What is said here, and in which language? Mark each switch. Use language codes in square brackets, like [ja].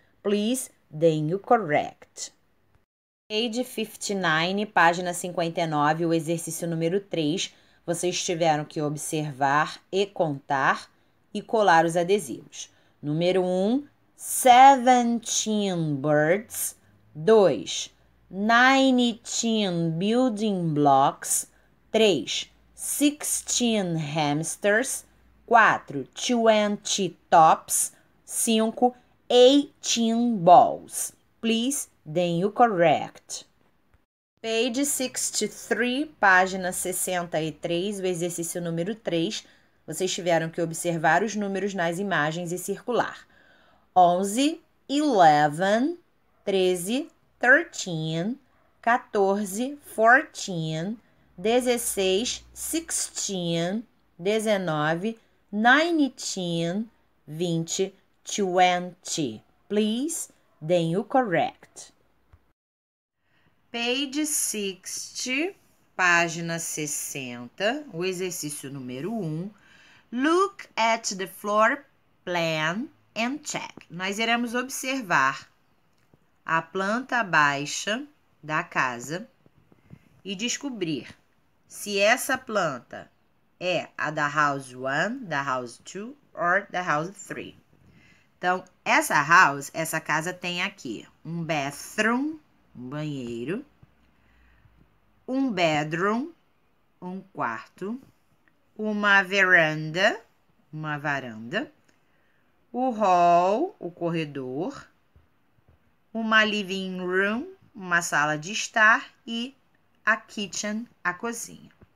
[en] Please, then you correct. Page 59, [pt] página 59, o exercício número 3. Vocês tiveram que observar e contar e colar os adesivos. Número 1, 17 birds. [en] 2, 19 building blocks. 3, 16 hamsters. 4, 20 tops. 5, 18 balls. Please, then you correct. Page 63, [pt] página 63, o exercício número 3. Vocês tiveram que observar os números nas imagens e circular. 11, 11, 13, 13, 14, 14, 16, 16, 19, 19, 20, 20. [en] Please, then you correct. Page 60, [pt] página 60, o exercício número 1. [en] Look at the floor plan and check. [pt] Nós iremos observar a planta baixa da casa e descobrir se essa planta é a da house 1, da house 2 or da house 3. Então, essa house, essa casa tem aqui um bathroom, um banheiro, um bedroom, um quarto, uma veranda, uma varanda, o hall, o corredor, uma living room, uma sala de estar e a kitchen, a cozinha.